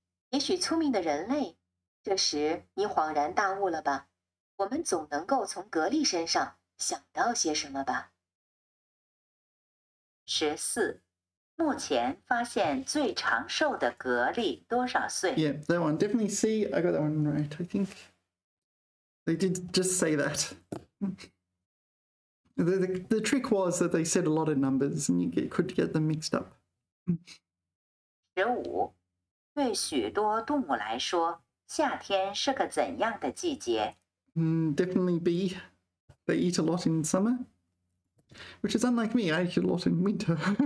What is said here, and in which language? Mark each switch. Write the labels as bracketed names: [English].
[Chinese] 也许聪明的人类，这时你恍然大悟了吧，我们总能够从蛤蜊身上想到些什么吧。十四，目前发现最长寿的蛤蜊多少岁？ [English] Yeah, that one. Definitely C. I got that one right, I think. They did just say that. The trick was that they said a lot of numbers and you could get them mixed up. [Chinese] 十五，对许多动物来说，夏天是个怎样的季节？ [English] Definitely B. They eat a lot in summer. Which is unlike me, I eat a lot in winter.